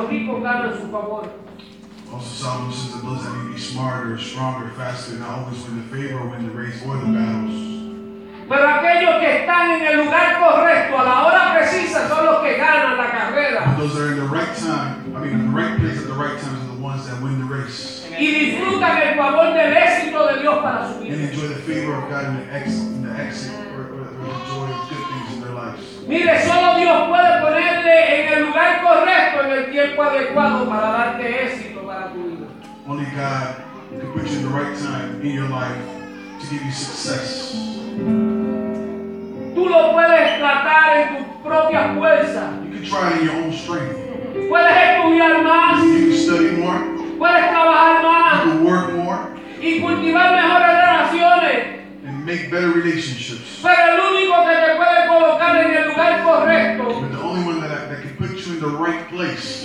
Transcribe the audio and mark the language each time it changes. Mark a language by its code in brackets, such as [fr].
[en] Also, Solomon says that those that may be smarter, stronger, faster, not always win the favor or win the race or the battles. [es] Pero aquellos que están en el lugar correcto a la hora precisa son los que ganan la carrera. [en] But those that are in the right time, in the right place at the right time, are the ones that win the race. [es] Y disfrutan el favor del éxito de Dios para su vida. [en] And enjoy the favor of God in the exit, or enjoy good things in their lives. [es] Mire, solo Dios puede ponerte en el lugar correcto en el tiempo adecuado para darte éxito para tu vida. [en] Only God can put you in the right time in your life to give you success. [es] Tú lo puedes tratar en tu propia fuerza. [en] You can try in your own strength. [es] Puedes estudiar más. [en] You can study more. [es] Puedes trabajar más. [en] You can work more. [es] Y cultivar mejores relaciones. [en] And make better relationships. [es] Pero el único que te puede colocar en el lugar correcto. [en] But the only one that can put you in the right place.